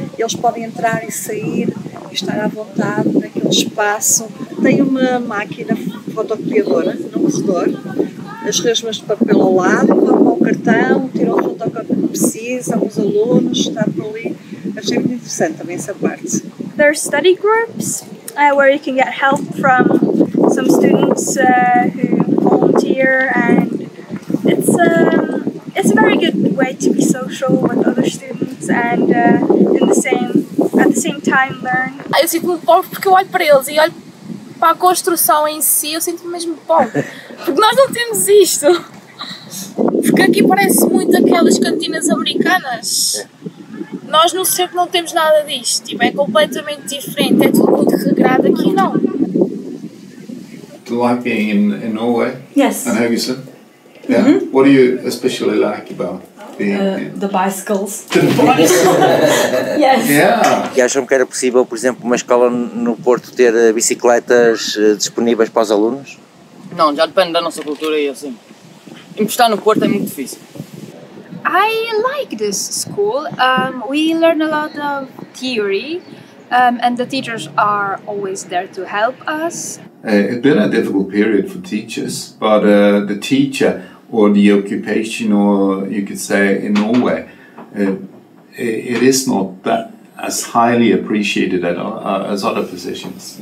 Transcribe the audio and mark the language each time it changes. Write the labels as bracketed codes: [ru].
[pt] Eles podem entrar e sair e estar à vontade naquele espaço. Tem uma máquina fotocopiadora no corredor. As resmas de papel ao lado, vão com o cartão, tiram a fotocópia que precisam, os alunos, está por ali. Achei muito interessante também essa parte. [en] There are study groups where you can get help from some students who volunteer, and it's a very good way to be social with other students and at the same time learn. [pt] Eu sinto-me pobre porque eu olho para eles e olho para a construção em si, eu sinto-me mesmo pobre porque nós não temos isto, porque aqui parece muito aquelas cantinas americanas. Nós no centro não temos nada disto, tipo, é completamente diferente, é tudo muito regrado aqui, não. [en] Do you like being in Norway? Yes. And Haugesund? Yeah. Mm-hmm. What do you especially like about being The bicycles. The bicycles? Yes. Yeah. [pt] E acham que era possível, por exemplo, uma escola no Porto ter bicicletas disponíveis para os alunos? Não, já depende da nossa cultura e assim. Emprestar no Porto é muito difícil. [en] I like this school. We learn a lot of theory, and the teachers are always there to help us. It's been a difficult period for teachers, but the teacher or the occupation, or you could say in Norway, it is not that as highly appreciated as other positions.